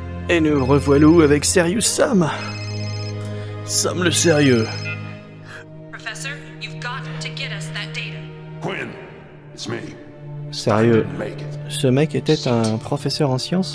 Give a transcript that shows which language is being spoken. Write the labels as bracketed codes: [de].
[fr] Et nous revoilà où avec Serious Sam? Sam le sérieux. [en] Professor, you've got to get us that data. Quinn, it's me. [fr] Sérieux, ce mec était un professeur en sciences?